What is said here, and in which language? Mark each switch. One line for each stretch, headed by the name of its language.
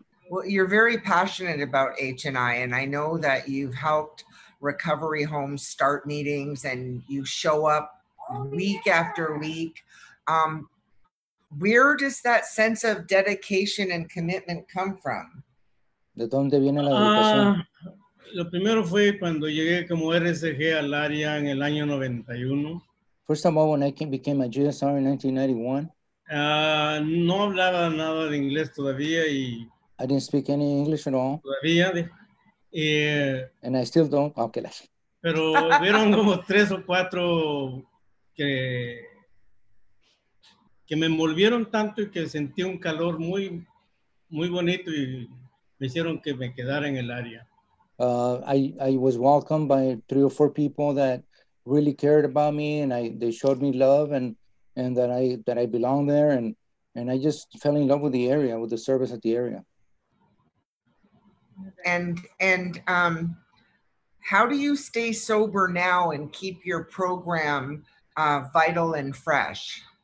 English: Well, you're very passionate about H&I, and I know that you've helped recovery homes start meetings, and you show up week after week. Where does that sense of dedication and commitment come from?
Spanish: ¿De dónde viene la dedicación? Lo primero fue cuando llegué como RSG al área en el año 91.
English: First of all, when I became a GSR in 1991.
Spanish: No hablaba nada de inglés todavía y...
English: I didn't speak any English at all.
Spanish: Todavía.
English: And I still don't. Okay.
Spanish: Pero vieron como tres o cuatro que me envolvieron tanto y que sentí un calor muy, muy bonito y me hicieron que me quedara en el área.
English: I was welcomed by three or four people that really cared about me, and they showed me love and that I belong there, and I just fell in love with the area, with the service at the area. And how do you stay sober now and keep your program vital and fresh?